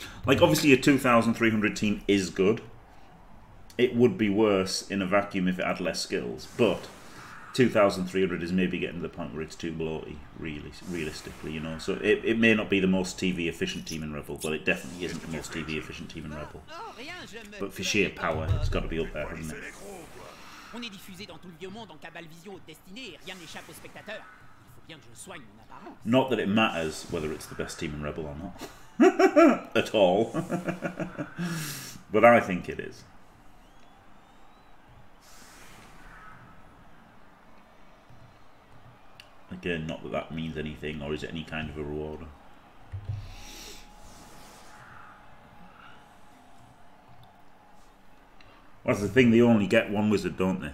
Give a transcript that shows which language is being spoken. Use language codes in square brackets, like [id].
[en] Like obviously a 2,300 team is good. It would be worse in a vacuum if it had less skills, but 2,300 is maybe getting to the point where it's too bloaty, really, realistically, you know. So it may not be the most TV efficient team in Rebel, but it definitely isn't the most TV efficient team in Rebel. But for sheer power, it's got to be up there, hasn't it? [fr] On est diffusé dans tout le vieux monde en cabale vision haute destinée et rien n'échappe aux spectateurs. Il faut bien que je soigne mon apparence. [en] Not that it matters whether it's the best team in Rebel or not. At all. But I think it is. Again, not that that means anything or is it any kind of a reward. Well, that's the thing, they only get one wizard, don't they?